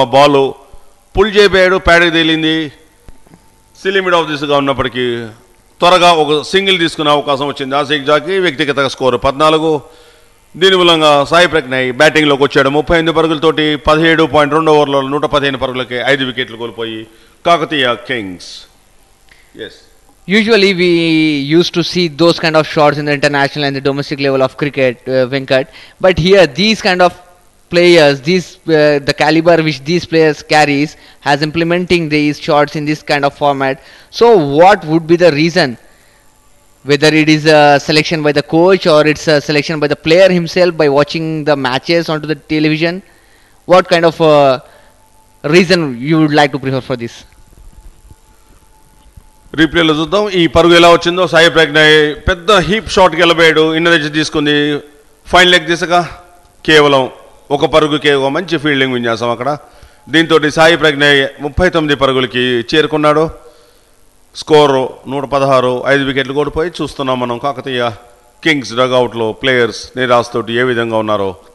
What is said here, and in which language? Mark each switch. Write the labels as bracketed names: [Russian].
[Telugu] ఆ ball pull చేయబోయాడు, ప్యాడ్కి తేలింది, సిలిమిడ్ of దిస్గా ఉన్నప్పటికీ త్వరగా ఒక సింగిల్ తీసుకునే అవకాశం వచ్చింది ఆసిక్ జాకి. వ్యక్తిగత స్కోరు 14. దీని మూలంగా సాయి ప్రజ్ఞయ్ బ్యాటింగ్లోకి వచ్చాడు 38 పరుగులతోటి. 17.2 ఓవర్లో 115 పరుగులకి 5 వికెట్లు కోల్పోయి Kakatiya Kings. Yes, [English] Usually we used to see those kind of shots in the international and the domestic level of cricket, Venkat. But here, these kind of players, these the caliber which these players carries has implementing these shots in this kind of format. So what would be the reason? Whether it is a selection by the coach or it's a selection by the player himself by watching the matches onto the television, what kind of reason you would like to prefer for this? [Telugu] Replay లో చూద్దాం ఈ పరుగు ఎలా వచ్చిందో. సాయి ప్రజ్ఞయ్ పెద్ద heap షాట్కి వెళ్ళబోయాడు, inner edge తీసుకుంది, fine leg దిశగా కేవలం ఒక పరుగుకే ఒక మంచి ఫీల్డింగ్ విన్యాసం అక్కడ. దీంతో సాయి ప్రజ్ఞయ్ 39 పరుగులకి చేరుకున్నాడు. స్కోర్ 116, 5 వికెట్లు కోల్పోయి చూస్తున్నాం మనం. కాకతీయ కింగ్స్ డగ్అవుట్లో ప్లేయర్స్ నీరాజ్తో ఏ విధంగా ఉన్నారో.